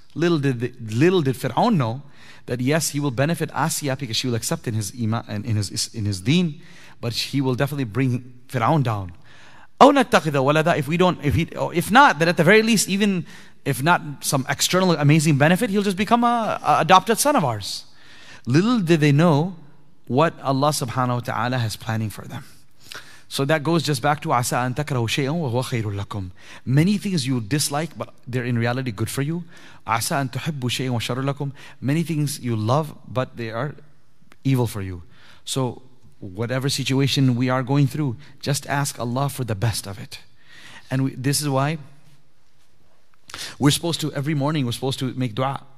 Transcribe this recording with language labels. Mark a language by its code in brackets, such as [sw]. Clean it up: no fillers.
[en] Little did Fir'aun know that yes, he will benefit Asiya because she will accept in his iman and in his deen, but he will definitely bring Fir'aun down. [ar] أو نتخذ ولدا, [en] if not, then at the very least, even if not some external amazing benefit, he'll just become an adopted son of ours. Little did they know what Allah subhanahu wa ta'ala has planning for them. So that goes just back to [ar] عَسَىٰ أَن تَكْرَهُ شَيْئًا وَهُوَ خَيْرٌ لَكُمْ. [en] Many things you dislike, but they're in reality good for you. [ar] عَسَىٰ أَن تُحِبُّ شَيْئًا وَشَرٌ لَكُمْ. [en] Many things you love, but they are evil for you. So whatever situation we are going through, just ask Allah for the best of it. And this is why we're supposed to, every morning, we're supposed to make dua.